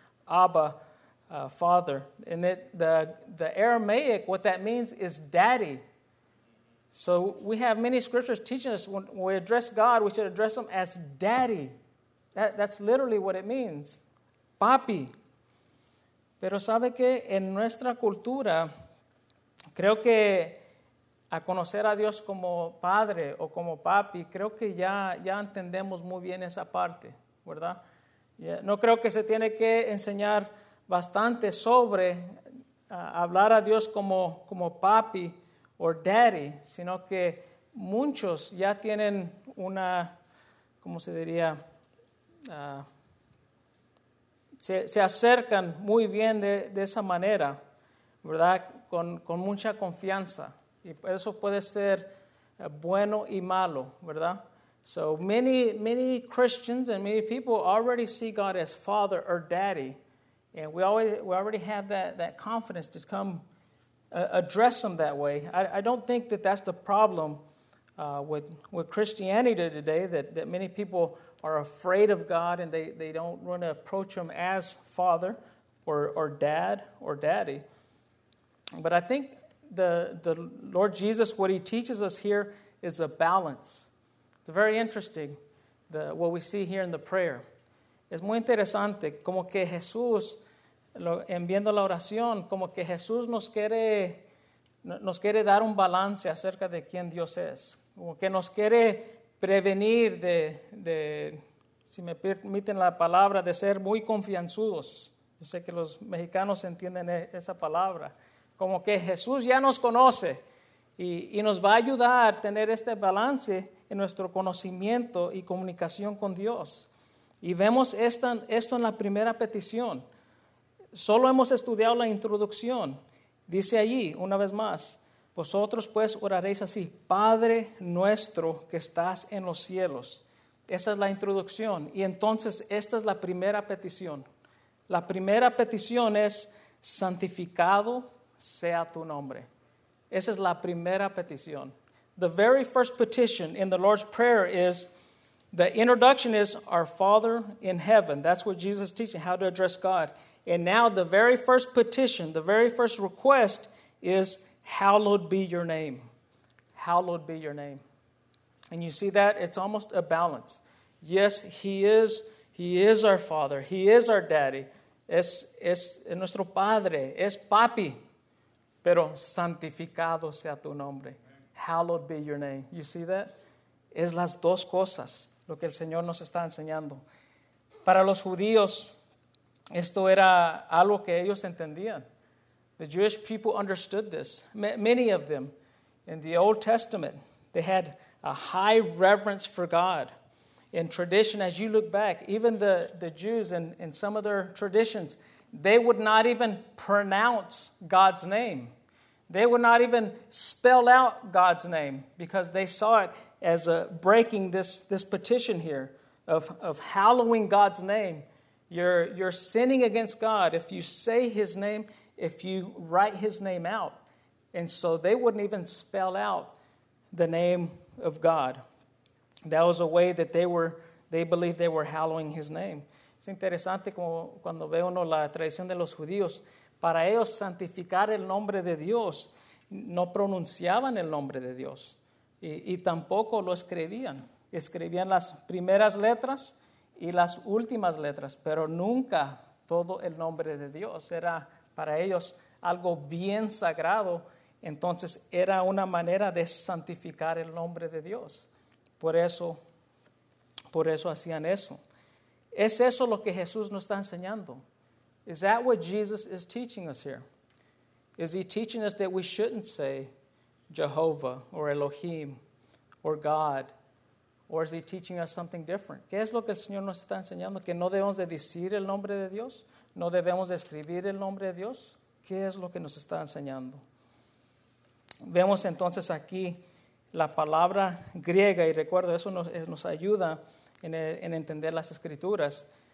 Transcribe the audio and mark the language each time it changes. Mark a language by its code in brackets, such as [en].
[en] Abba, Father. And it, the Aramaic, what that means is daddy. So we have many scriptures teaching us when we address God, we should address him as daddy. That's literally what it means. [es] Papi. Pero sabe que en nuestra cultura, creo que a conocer a Dios como padre o como papi, creo que ya entendemos muy bien esa parte, ¿verdad? Yeah. No creo que se tiene que enseñar bastante sobre hablar a Dios como papi o daddy, sino que muchos ya tienen una, ¿cómo se diría? Se acercan muy bien de esa manera, ¿verdad? Con mucha confianza. Y eso puede ser bueno y malo, ¿verdad? [en] So many, many Christians and many people already see God as father or daddy. And we already have that confidence to come address them that way. I don't think that's the problem with Christianity today, that many people are afraid of God and they don't want to approach him as father or dad or daddy. But I think the Lord Jesus, what he teaches us here is a balance. It's very interesting what we see here in the prayer. [es] Es muy interesante como que Jesús, en viendo la oración, como que Jesús nos quiere dar un balance acerca de quién Dios es. Como que nos quiere prevenir de, si me permiten la palabra, de ser muy confianzudos. Yo sé que los mexicanos entienden esa palabra. Como que Jesús ya nos conoce y nos va a ayudar a tener este balance en nuestro conocimiento y comunicación con Dios. Y vemos esto en la primera petición. Solo hemos estudiado la introducción. Dice allí, una vez más, vosotros pues oraréis así, Padre nuestro que estás en los cielos. Esa es la introducción. Y entonces esta es la primera petición. La primera petición es, santificado sea tu nombre. Esa es la primera petición. [en] The very first petition in the Lord's Prayer is, the introduction is, our Father in heaven. That's what Jesus is teaching, how to address God. And now the very first petition, the very first request is, hallowed be your name. Hallowed be your name. And you see that? It's almost a balance. Yes, he is our Father. He is our daddy. [es] Es nuestro padre. Es papi. Pero santificado sea tu nombre. [en] Hallowed be your name. You see that? [es] Es las dos cosas lo que el Señor nos está enseñando. Para los judíos, esto era algo que ellos entendían. [en] The Jewish people understood this. Many of them in the Old Testament, they had a high reverence for God. In tradition, as you look back, even the Jews in some of their traditions, they would not even pronounce God's name. They would not even spell out God's name because they saw it as a breaking this petition here of hallowing God's name. You're sinning against God if you say his name, if you write his name out. And so they wouldn't even spell out the name of God. That was a way that they believed they were hallowing his name. [es] Es interesante como cuando ve uno la tradición de los judíos. Para ellos santificar el nombre de Dios, no pronunciaban el nombre de Dios. Y tampoco lo escribían. Escribían las primeras letras y las últimas letras, pero nunca todo el nombre de Dios. Era para ellos algo bien sagrado. Entonces era una manera de santificar el nombre de Dios. Por eso hacían eso. ¿Es eso lo que Jesús nos está enseñando? [en] Is that what Jesus is teaching us here? Is he teaching us that we shouldn't say Jehovah or Elohim or God? Or is he teaching us something different? [es] ¿Qué es lo que el Señor nos está enseñando? ¿Que no debemos de decir el nombre de Dios? ¿No debemos de escribir el nombre de Dios? ¿Qué es lo que nos está enseñando? Vemos entonces aquí la palabra griega, y recuerdo, eso nos ayuda en entender las escrituras.